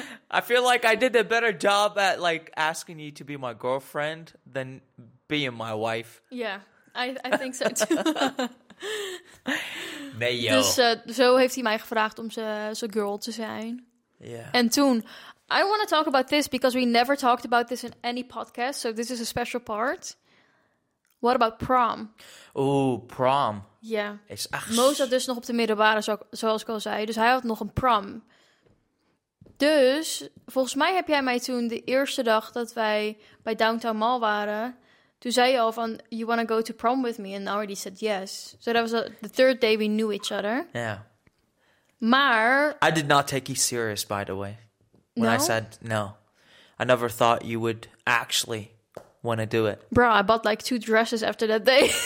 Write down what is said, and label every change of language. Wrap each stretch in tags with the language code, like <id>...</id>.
<en>I feel like I did a better job at like asking you to be my girlfriend than being my wife. Yeah, I think so too.</en> <nl>Nee, joh. Dus zo heeft hij mij gevraagd om zijn girl te zijn.</nl> <en>Yeah.</en> <nl>En toen,</nl> <en>I want to talk about this because we never talked about this in any podcast. So this is a special part. What about prom? Oeh, prom.</en> <nl>Ja.</nl> <en>Yeah.</en> <nl>Mo zat dus nog op de middelbare, zoals ik al zei. Dus hij had nog een prom. Dus volgens mij heb jij mij toen de eerste dag dat wij bij Downtown Mall waren... Toen zei je al van,</nl> <en>you want to go to prom with me? And I already said yes. So that was the third day we knew each other. Yeah.</en> <nl>Maar...</nl> <en>I did not take you serious, by the way. When I said no. I never thought you would actually want to do it. Bro, I bought like two dresses after that day.</en>